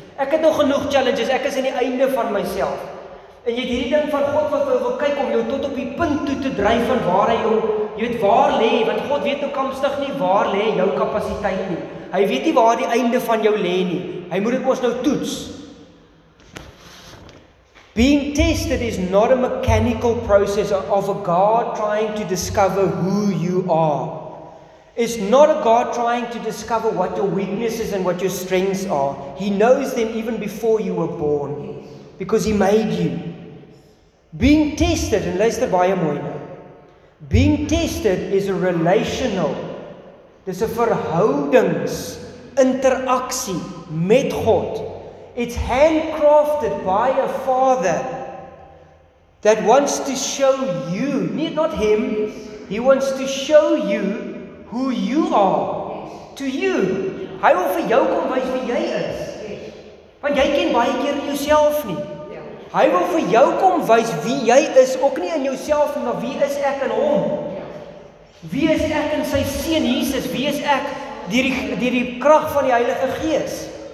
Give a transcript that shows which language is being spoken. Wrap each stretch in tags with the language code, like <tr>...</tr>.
<af>Ek het nog genoeg challenges. Ek is aan die einde van myself." En jy het hierdie ding van God wat wil kyk om jou tot op die punt toe te dryf van waar hy jou, jy weet waar lê, want God weet nou kampstig nie waar lê jou kapasiteit nie. Hy weet nie waar die einde van jou lê nie. Hy moet dit ons nou toets.</af> <en>Being tested is not a mechanical process of a God trying to discover who you are. It's not a God trying to discover what your weaknesses and what your strengths are. He knows them even before you were born. Because he made you. Being tested, en luister baie mooi nou. Being tested is a relational.</en> <af>Dis 'n verhoudings interaksie met God.</af> <en>It's handcrafted by a father that wants to show you, not him, he wants to show you who you are to you.</en> <af>Hy wil vir jou kom wys wie jy is. Want jy ken baie keer nie jouself nie. Hy wil vir jou kom wys wie jy is, ook nie in jouself nie, maar wie is ek in hom? Wie is ek in sy seun Jesus? Wie is ek deur die krag van die Heilige Gees?</af>